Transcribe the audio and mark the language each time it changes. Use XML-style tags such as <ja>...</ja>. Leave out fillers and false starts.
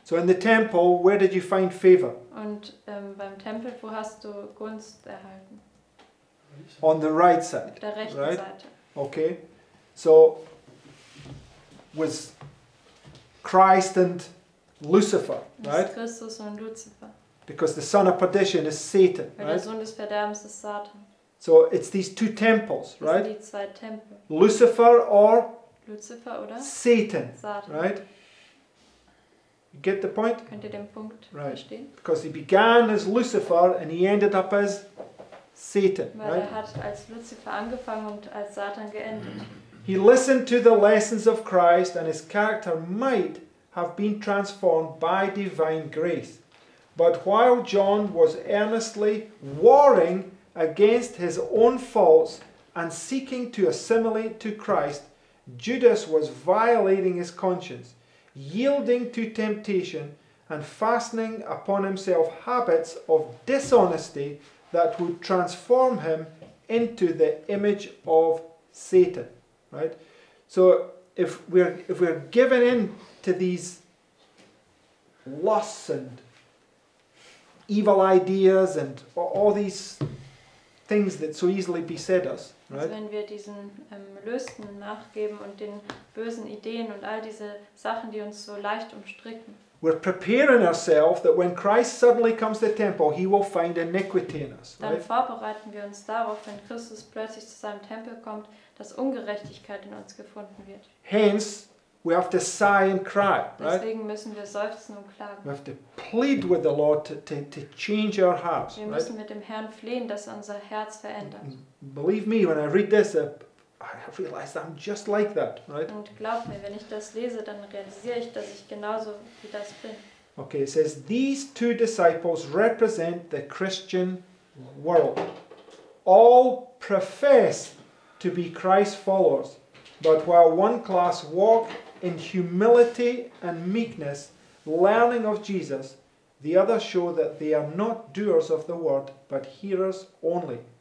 <en>So in the temple, where did you find favor?</en> <de>Und beim Tempel, wo hast du Gunst erhalten?</de> <en>On the right side.</en> <de>Der rechten</de> <en>right?</en> <de>Seite.</de> <en>Okay, so was Christ and Lucifer, right?</en> <de>Christus und Lucifer.</de> <en>Because the son of perdition is Satan,</en> <de>weil</de> <en>right?</en> <de>Der Sohn des Verderbens ist Satan.</de> <en>So it's these two temples,</en> <de>das</de> <en>right?</en> <de>Sind die zwei Tempel.</de> <en>Lucifer</en> <de>oder?</de> <en>Satan,</en> <de>Satan,</de> <en>right? You get the point?</en> <de>Könnt ihr den Punkt</de> <en>right.</en> <de>verstehen?</de> <en>Because he began as Lucifer and he ended up as Satan,</en> <de>weil</de> <en>right?</en> <de>Er hat als Lucifer angefangen und als Satan geendet.</de> <en>He listened to the lessons of Christ and his character might have been transformed by divine grace. But while John was earnestly warring against his own faults and seeking to assimilate to Christ, Judas was violating his conscience, yielding to temptation and fastening upon himself habits of dishonesty that would transform him into the image of Satan. Right, so if we're given in to these lusts and evil ideas and all these things that so easily beset us, right?</en> <de>Also wenn wir diesen Lüsten nachgeben und den bösen Ideen und all diese Sachen, die uns so leicht umstricken,</de> <en>We're preparing ourselves that when Christ suddenly comes to the temple, he will find iniquity in us.</en> <de>Dann vorbereiten wir uns darauf, wenn Christus plötzlich zu seinem Tempel kommt, dass Ungerechtigkeit in uns gefunden wird.</de> <en>Hence, we have to sigh and cry, right?</en> <de>Deswegen müssen wir seufzen und klagen.</de> <en>We have to plead with the Lord to change our hearts.</en> <de>Wir müssen mit dem Herrn flehen, dass unser Herz verändert.</de> <en>Believe me, when I read this, I realize I'm just like that, right?</en> <de>Und glaub mir, wenn ich das lese, dann realisiere ich, dass ich genauso wie das bin.</de> <en>Okay, it says these two disciples represent the Christian world. All profess to be Christ's followers, but while one class walk in humility and meekness, learning of Jesus, the other show that they are not doers of the word, but hearers only.</en>